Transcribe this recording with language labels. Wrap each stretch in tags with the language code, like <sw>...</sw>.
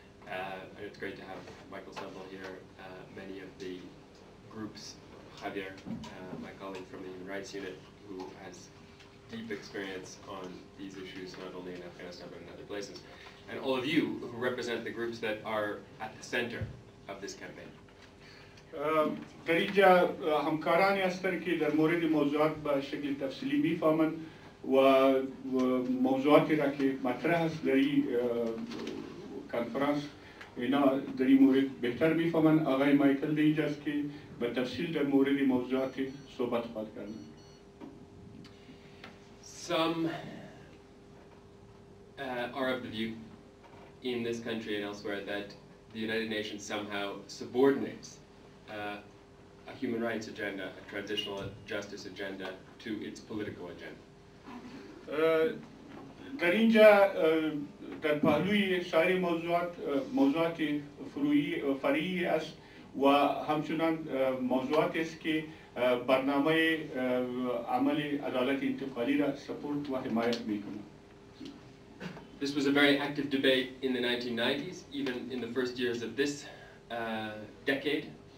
<en>And it's great to have Michael Sumble here, many of the groups, Javier, my colleague from the Human Rights Unit, who has deep experience on these issues, not only in Afghanistan, but in other places. And all of you who represent the groups that are at the center of this campaign.</en> <fa>در اینجا همکارانی هستن که در مورد موضوعات به شکل تفصیلی میفهمن و موضوعاتی را که مطرح است در این کنفرانس اینا در این مورد بهتر میفهمن. آقای مایکل در اینجا است که به تفصیل در مورد موضوعات صحبت خواهد کرد.</fa> <en>Some are of the view in this country and elsewhere that the United Nations somehow subordinates a human rights agenda, a transitional justice agenda, to its political agenda.</en> <fa>در اینجا در پهلوی سایر موضوعات موضوعات فرعی است و همچنان موضوعات است که برنامه عمل عدالت انتقالی را سپورت و حمایت میکنه.</fa> <en>This was a very active debate in the 1990s, even in the first years of this decade.</en>